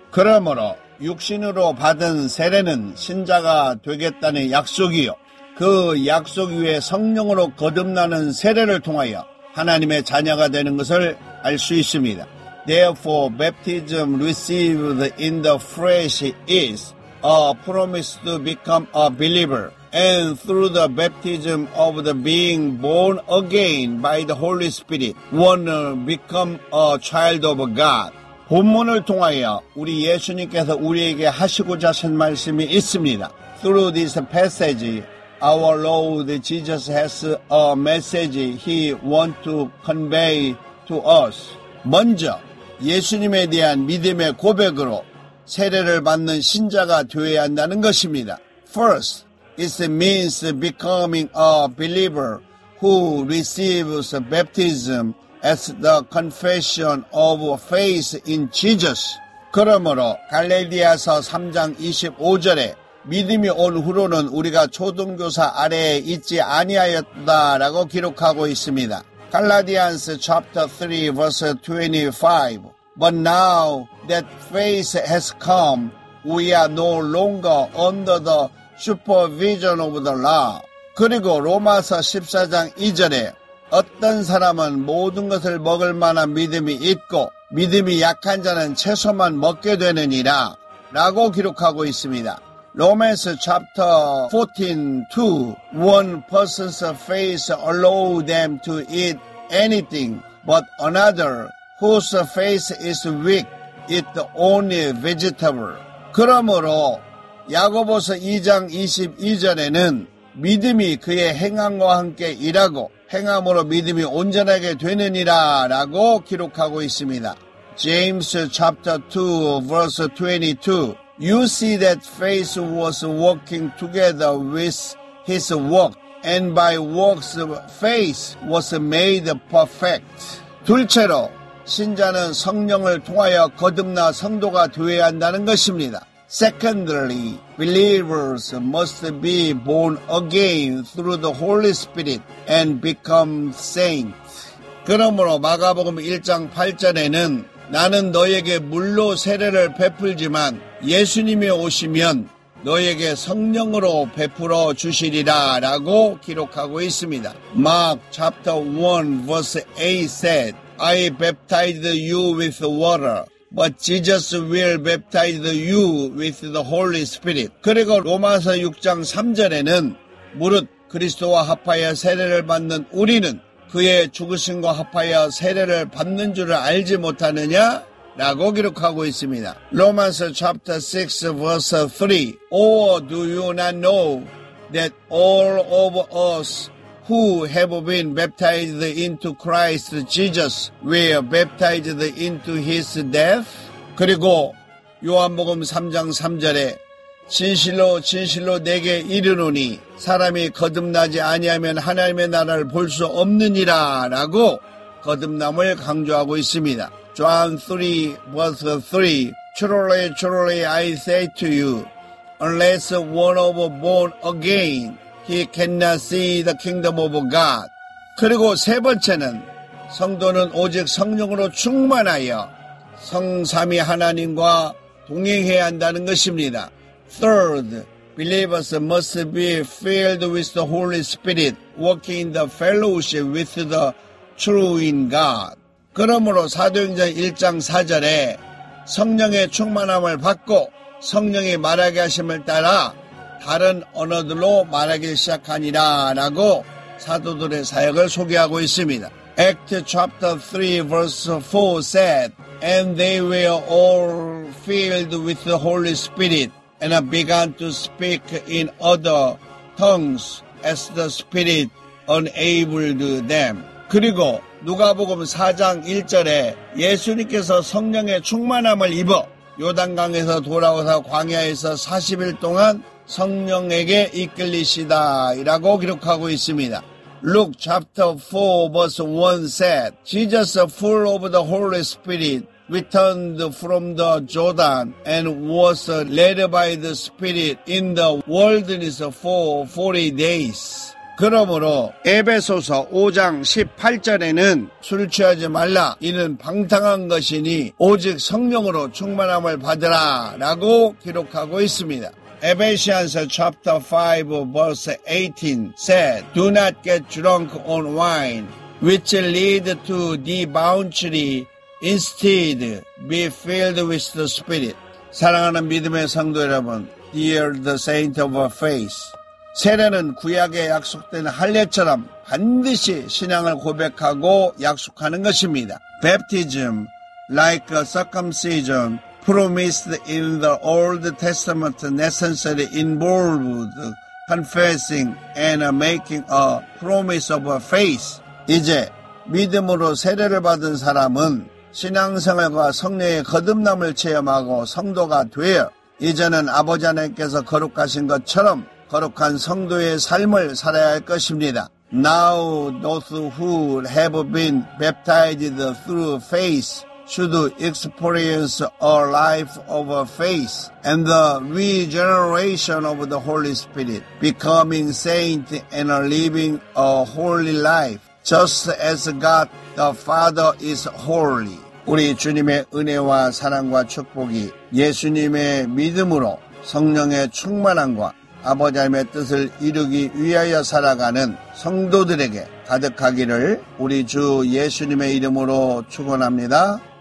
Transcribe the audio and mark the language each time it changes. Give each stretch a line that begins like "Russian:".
Korean: 그러므로 육신으로 받은 세례는 신자가 되겠다는 약속이요. 그 약속 위에 성령으로 거듭나는 세례를 통하여 하나님의 자녀가 되는 것을 알 수 있습니다.
English: Therefore, baptism received in the flesh is a promise to become a believer. And through the baptism of the being born again by the Holy Spirit, one become a child of God.
Korean: 본문을 통하여 우리 예수님께서 우리에게 하시고자 하신 말씀이 있습니다.
English: Through this passage, our Lord Jesus has a message he wants to convey to us.
Korean: 먼저 예수님에 대한 믿음의 고백으로 세례를 받는 신자가 되어야 한다는 것입니다.
English: First, it means becoming a believer who receives baptism as the confession of faith in Jesus.
Korean: 그러므로 갈라디아서 3장 25절에 믿음이 온 후로는 우리가 초등교사 아래에 있지 아니하였다라고 기록하고 있습니다.
English: Galatians chapter 3 verse 25. But now that faith has come, we are no longer under the supervision of the law.
Korean: 그리고 로마서 14장 2절에 어떤 사람은 모든 것을 먹을 만한 믿음이 있고 믿음이 약한 자는 채소만 먹게 되느니라 라고 기록하고 있습니다.
English: Romans chapter 14:2. One person's faith allows them to eat anything, but another, whose faith is weak, eats only vegetable.
Korean: 그러므로 야고보서 2장 22절에는 믿음이 그의 행함과 함께 일하고 행함으로 믿음이 온전하게 되느니라 라고 기록하고 있습니다.
English: James chapter 2 verse 22. You see that faith was working together with his work, and by works faith was made perfect.
Korean: 둘째로, 신자는 성령을 통하여 거듭나 성도가 되어야 한다는 것입니다.
English: Secondly, believers must be born again through the Holy Spirit and become saints.
Korean: 그러므로 마가복음 1장 8절에는 나는 너에게 물로 세례를 베풀지만 예수님이 오시면 너에게 성령으로 베풀어 주시리라 라고 기록하고 있습니다.
English: Mark chapter 1 verse 8 said, I baptized you with water, but Jesus will baptize you with the Holy Spirit.
Korean: 그리고 로마서 6장 3절에는 무릇 그리스도와 합하여 세례를 받는 우리는 그의 죽으심과 합하여 세례를 받는 줄을 알지 못하느냐? 라고 기록하고 있습니다.
English: Romans chapter 6 verse 3. Or do you not know that all of us who have been baptized into Christ Jesus were baptized into his death?
Korean: 그리고 요한복음 3장 3절에 진실로 진실로 내게 이르노니 사람이 거듭나지 아니하면 하나님의 나라를 볼 수 없느니라 라고 거듭남을 강조하고 있습니다.
English: John 3 verse 3. Truly, truly, I say to you, unless one of born again, he cannot see the kingdom of God.
Korean: 그리고 세 번째는 성도는 오직 성령으로 충만하여 성삼위 하나님과 동행해야 한다는 것입니다.
English: Third, believers must be filled with the Holy Spirit, working in the fellowship with the true in God.
Korean: 그러므로 사도행전 1장 4절에 성령의 충만함을 받고 성령이 말하게 하심을 따라 다른 언어들로 말하기 시작하니라 라고 사도들의 사역을 소개하고 있습니다.
English: Acts chapter 3 verse 4 said, And they were all filled with the Holy Spirit and began to speak in other tongues as the Spirit enabled them.
Korean: 그리고 누가복음 4장 1절에 예수님께서 성령의 충만함을 입어 요단강에서 돌아와서 광야에서 40일 동안 성령에게 이끌리시다 이라고 기록하고 있습니다.
English: Luke chapter 4 verse 1 said, Jesus full of the Holy Spirit returned from the Jordan and was led by the Spirit in the wilderness for 40 days.
Korean: 그러므로 에베소서 5장 18절에는 술 취하지 말라 이는 방탕한 것이니 오직 성령으로 충만함을 받으라 라고 기록하고 있습니다.
English: Ephesians chapter 5 verse 18 said, Do not get drunk on wine, which lead to debauchery. Instead, be filled with the Spirit.
Korean: 사랑하는 믿음의 성도 여러분,
English: Dear the saint of our faith,
Korean: 세례는 구약에 약속된 할례처럼 반드시 신앙을 고백하고 약속하는 것입니다.
English: Baptism, like a circumcision, promised in the Old Testament necessarily involved confessing and making a promise of a faith.
Korean: 이제 믿음으로 세례를 받은 사람은 신앙생활과 성령의 거듭남을 체험하고 성도가 되어 이제는 아버지 하나님께서 거룩하신 것처럼 거룩한 성도의 삶을 살아야 할 것입니다.
English: Now those who have been baptized through faith should experience a life of faith and the regeneration of the Holy Spirit, becoming saint and living a holy life, just as God the Father is holy.
Korean: 우리 주님의 은혜와 사랑과 축복이 예수님의 믿음으로 성령의 충만함과 아버지 하나님의 뜻을 이루기 위하여 살아가는 성도들에게 가득하기를 우리 주 예수님의 이름으로 축원합니다.